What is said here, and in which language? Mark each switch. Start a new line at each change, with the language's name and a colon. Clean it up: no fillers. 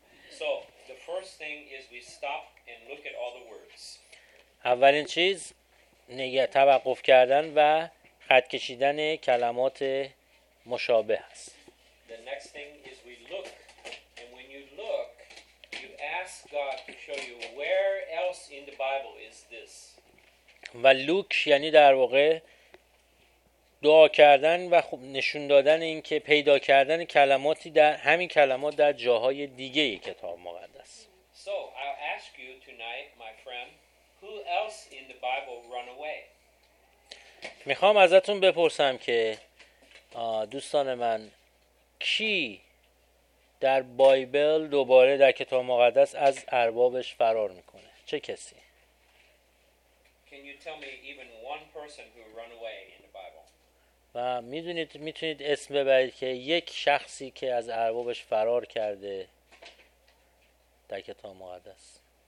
English: So the first thing is we stop and look at all the words.
Persian: اولین چیز نگه توقف کردن و خط کشیدن کلمات مشابه است.
English: The next thing is we look, and when you look you ask God to show you where else in the Bible is this.
Persian: و لوک یعنی در واقع دعا کردن و خب نشون دادن این که پیدا کردن کلماتی در همین کلمات در جاهای دیگه ی کتاب مقدس.
English: So I'll ask you tonight, my friend, who else in the Bible run away?
Persian: میخوام ازتون بپرسم که دوستان من، کی در بایبل دوباره در کتاب مقدس از اربابش فرار میکنه؟ چه کسی؟
English: Can you tell me even one person who ran away in the Bible?
Persian: و میدونید میتونید اسم ببرید که یک شخصی که از اربابش فرار کرده در کتاب مقدس.